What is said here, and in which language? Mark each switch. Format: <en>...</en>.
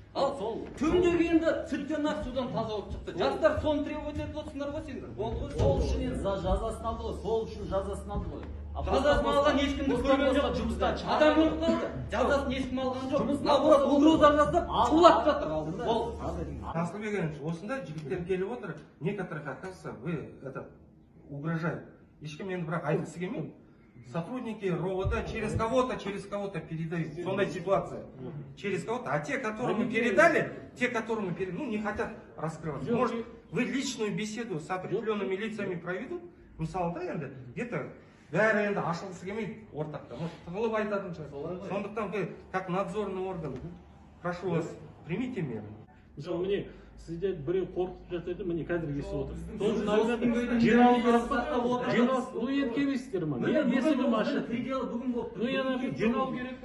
<kk>Ал сол түбіндегенді сүттен ақ судан таза болып шықты. Жастар соны требовать етіп отырсыңдар ғой сендер. Болды ғой. Сол үшін жазасын алды ғой. Сол үшін жазасын алды ғой. Жазасын алған ешкімді көрген жоқ жұмыста. Адам болып қалды. Жазасын ешкім алған жоқ. Мына бұл угроза жасап тулап жатыр. Бол. Жасылбеген осында жігіттер келіп отыр.</kk> <ru>Некоторых оказывается вы это угрожают.</ru> <kk>Ешкім енді бірақ айтқысы келмейді.</kk> <ru>Сотрудники РОВД через кого-то передают. Сонная ситуация. Через кого-то. А те, которым мы передали, ну, не хотят раскрываться. Может, вы личную беседу с определенными лицами проведут?</ru> <kk>Ну, салда, енді, где-то, бәрі енді ашылғысы келмейді ортақта. Может, тығылып айтатын шығар.</kk> <ru>Сондықтан, как надзорный орган, прошу вас, примите меры.</ru> <kk>Мысалы, мне сіздер біреу қорқытып жатады, міне қазір кесіп отыр. Жиналып керек,</kk>